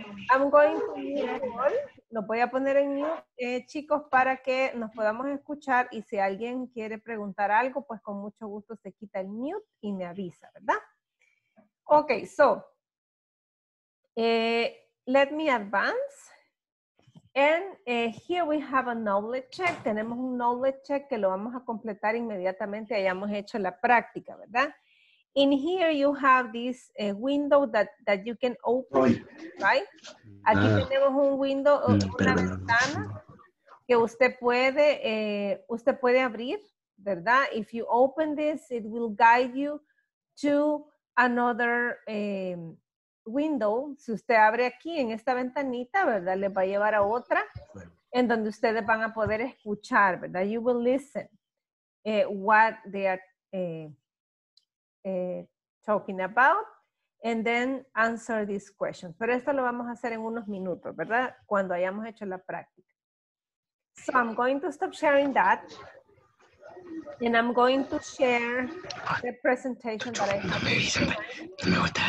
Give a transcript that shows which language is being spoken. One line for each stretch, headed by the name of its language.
English: I'm going to mute all.
Spanish: Lo voy a poner en mute, chicos, para que nos podamos escuchar y si alguien quiere preguntar algo, pues con mucho gusto se quita el mute y me avisa, ¿verdad? Ok, so.
English: Let me advance. And here we have a knowledge check.
Spanish: Tenemos un knowledge check que lo vamos a completar inmediatamente hayamos hecho la práctica, ¿verdad?
English: In here you have this window that you can open, oy, right?
Spanish: Aquí tenemos un window, una ventana que usted puede abrir, ¿verdad?
English: If you open this, it will guide you to another window.
Spanish: Si usted abre aquí en esta ventanita, ¿verdad? Le va a llevar a otra en donde ustedes van a poder escuchar, ¿verdad?
English: You will listen what they are talking about and then answer this question.
Spanish: Pero esto lo vamos a hacer en unos minutos, ¿verdad? Cuando hayamos hecho la práctica.
English: So I'm going to stop sharing that and I'm going to share the presentation that I have.